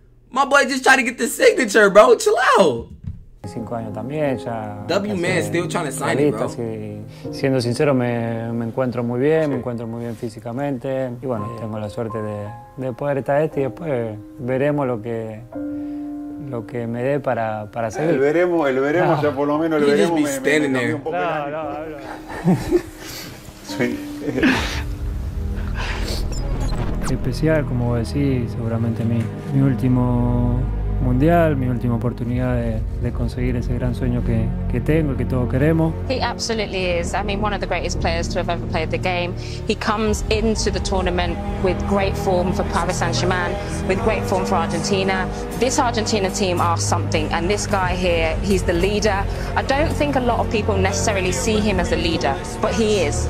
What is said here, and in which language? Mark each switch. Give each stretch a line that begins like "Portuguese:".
English: My boy just tried to get the signature, bro. Chill out. W man still trying to sign it, bro.
Spanish: Siendo sincero, me encuentro muy bien, me encuentro muy bien físicamente. Y bueno, tengo la suerte de poder estar y después veremos lo que me dé para seguir. El veremos, ya por lo menos el veremos.
English: He just be standing there. No.
Spanish: Especial, como vos decís, seguramente mi último mundial, mi última oportunidad de conseguir ese gran sueño que tengo y que todos queremos.
English: He absolutely is. I mean, one of the greatest players to have ever played the game. He comes into the tournament with great form for Paris Saint-Germain, with great form for Argentina. This Argentina team are something, and this guy here, he's the leader. I don't think a lot of people necessarily see him as a leader, but he is.